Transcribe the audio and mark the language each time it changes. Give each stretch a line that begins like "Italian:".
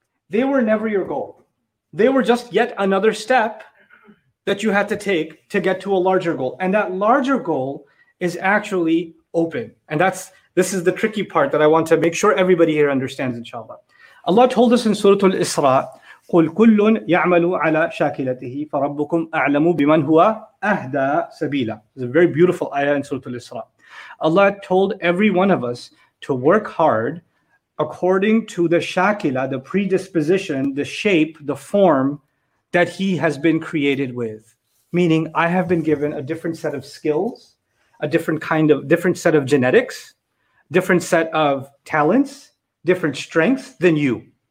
English: They were never your goal. They were just yet another step that you had to take to get to a larger goal. And that larger goal is actually open. And that's This is the tricky part that I want to make sure everybody here understands, inshallah. Allah told us in Surah Al-Isra,
Arabic: قُلْ كُلٌّ يَعْمَلُ عَلَىٰ شَاكِلَتِهِ فَرَبُّكُمْ أَعْلَمُ بِمَنْ هُوَ أَهْدَىٰ سَبِيلًا.
English: It's a very beautiful ayah in Surah Al-Isra. Allah told every one of us to work hard according to the shakila, the predisposition, the shape, the form that he has been created with. Meaning, I have been given a different set of skills, a different kind of, different set of genetics, different set of talents, different strengths than you.